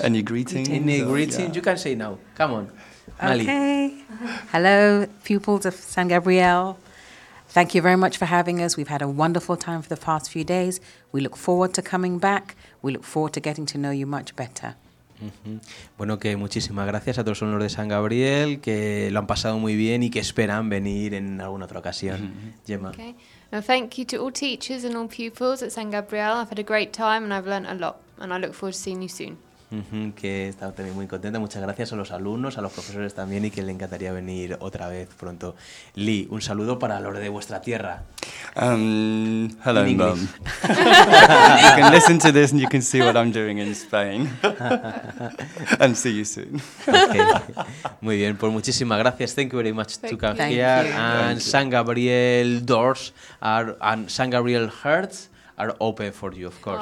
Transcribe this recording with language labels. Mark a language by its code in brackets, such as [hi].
[en] Any greeting? Any greeting? Yeah. You can say now. Come on, Mali. Okay. Hello, pupils of San Gabriel. Thank you very much for having us. We've had a wonderful time for the past few days. We look forward to coming back. We look forward to getting to know you much better. [es] Bueno, que muchísimas gracias a todos los alumnos de San Gabriel, que lo han pasado muy bien y que esperan venir en alguna otra ocasión. Gemma. [en] Okay. Now, thank you to all teachers and all pupils at San Gabriel. I've had a great time and I've learned a lot. And I look forward to seeing you soon. [es] Que está también muy contenta. Muchas gracias a los alumnos, a los profesores también, y que le encantaría venir otra vez pronto. Lee, un saludo para los de vuestra tierra. [en] Hello, in mom. You can listen to this and you can see what I'm doing in Spain. And see you soon. Okay. [es] Muy bien, pues muchísimas gracias. [en] Thank you very much to come here. And San Gabriel doors and San Gabriel hearts are open for you, of course.